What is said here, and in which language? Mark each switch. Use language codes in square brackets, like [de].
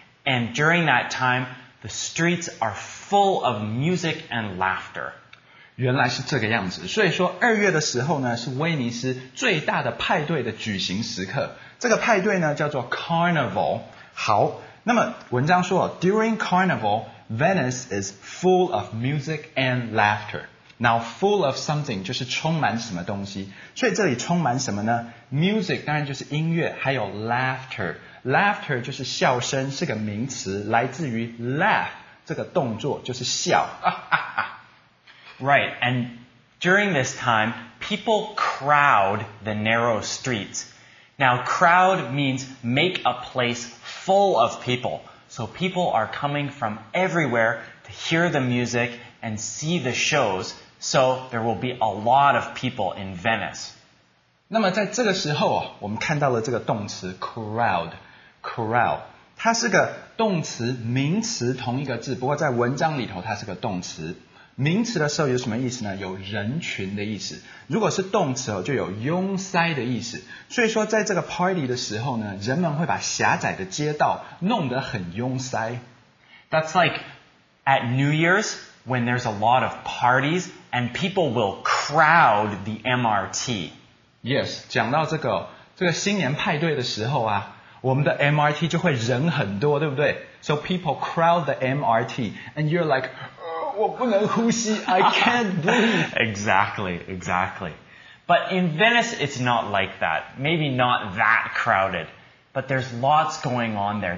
[en] And during that time, the streets are full of music and laughter. [zh] 原来是这个样子。所以说二月的时候呢是威尼斯最大的派对的举行时刻。这个派对呢叫做 Carnival。好，那么文章说 , [en] During Carnival, Venice is full of music and laughter. [zh] Now, full of something 就是充满什么东西。所以这里充满什么呢 ?Music 当然就是音乐还有 laughter。 Laughter 就是笑声，是个名词，来自于 laugh 这个动作，就是笑。 [en] Right, and during this time, people crowd the narrow streets. Now, crowd means make a place full of people. So people are coming from everywhere to hear the music and see the shows. So there will be a lot of people in Venice. [zh] 那么在这个时候，我们看到了这个动词 crowd. Crowd, 它是个动词名词同一个字不过在文章里头它是个动词。名词的时候有什么意思呢有人群的意思。如果是动词就有拥塞的意思。所以说在这个 party 的时候呢人们会把狭窄的街道弄得很拥塞。 [en] That's like at New Year's, when there's a lot of parties, and people will crowd the MRT. [zh] Yes, 讲到这个新年派对的时候啊我们的 MRT 就会人很多，对不对？ [en] So people crowd the MRT and you're like, [zh] 我不能呼吸 [en] I can't breathe. Exactly, exactly. But in Venice, it's not like that. Maybe not that crowded. But there's lots going on there.